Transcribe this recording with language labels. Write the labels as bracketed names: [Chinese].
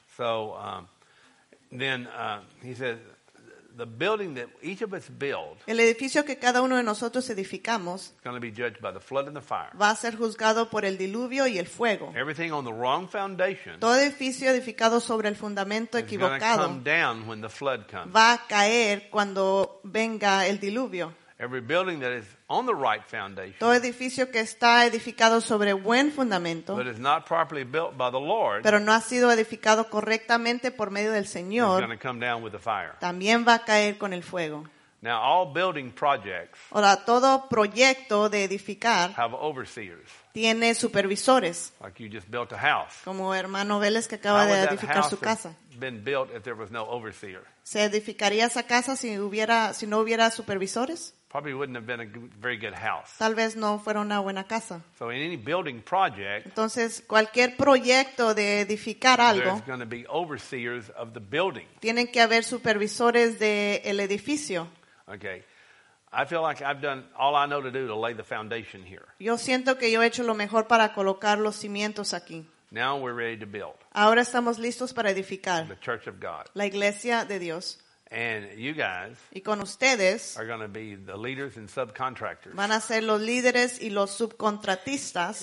[English] So then he says, the building that each of us build, [Spanish] el edificio que cada uno de nosotros edificamos, [English] is going to be judged by the flood and the fire. [Spanish] Va a ser juzgado por el diluvio y el fuego. [English] Everything on the wrong foundation, [Spanish] todo edificio edificado sobre el fundamento equivocado, [English] is going to come down when the flood comes. [Spanish] Va a caer cuando venga el diluvio. [English] Every building that is on the right foundation, [Spanish] todo edificio que está edificado sobre buen fundamento, [English] but is not properly built by the Lord, [Spanish] pero no ha sido edificado correctamente por medio del Señor, [English] is going to come down with the fire. [Spanish] También va a caer con el fuego. [English] Now all building projects, [Spanish] ahora todo proyecto de edificar, [English] have overseers, [Spanish] tiene supervisores. [English] Like you just built a house, [Spanish] como hermano Vélez que acaba [English] how [Spanish] de edificar su casa. [English] Been built if there was no overseer? [Spanish] ¿Se edificaría esa casa si no hubiera supervisores? [English] Probably wouldn't have been a very good house. [Spanish] Tal vez no fuera una buena casa. [English] So in any building project, [Spanish] entonces cualquier proyecto de edificar algo, [English] there's going to be overseers of the building. [Spanish] Tienen que haber supervisores del edificio. [English] Okay. I feel like I've done all I know to do to lay the foundation here. [Spanish] Yo siento que yo he hecho lo mejor para colocar los cimientos aquí. [English] Now we're ready to build. [Spanish] Ahora estamos listos para edificar. [English] The church of God. [Spanish] La iglesia de Dios. [English] And you guys, [Spanish] y con ustedes, [English] are going to be the leaders and subcontractors. [Spanish] Van a ser los líderes y los subcontratistas